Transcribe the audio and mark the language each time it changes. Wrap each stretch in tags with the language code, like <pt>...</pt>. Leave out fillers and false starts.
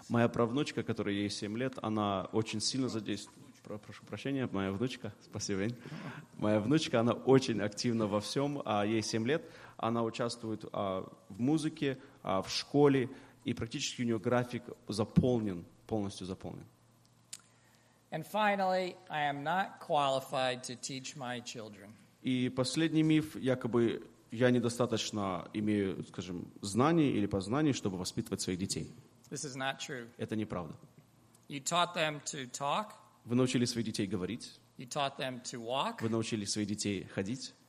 <ru>Моя правнучка, которой ей 7 лет, она очень сильно задействована. Прошу прощения, моя внучка. Спасибо, Вень. Моя внучка, она очень активна во всем, а ей 7 лет. Она участвует в музыке, в школе, и практически у нее график заполнен, полностью заполнен.</ru> <en>And finally, I am not qualified to teach my children.</en> <ru>И последний миф, якобы я недостаточно имею, скажем, знаний или познаний, чтобы воспитывать своих детей.</ru> <en>This is not true.</en> <ru>Это неправда.</ru> <en>You taught them to talk.</en> <ru>Вы научили своих детей говорить.</ru> <en>You taught them to walk.</en> <ru>Вы научили своих детей ходить.</ru>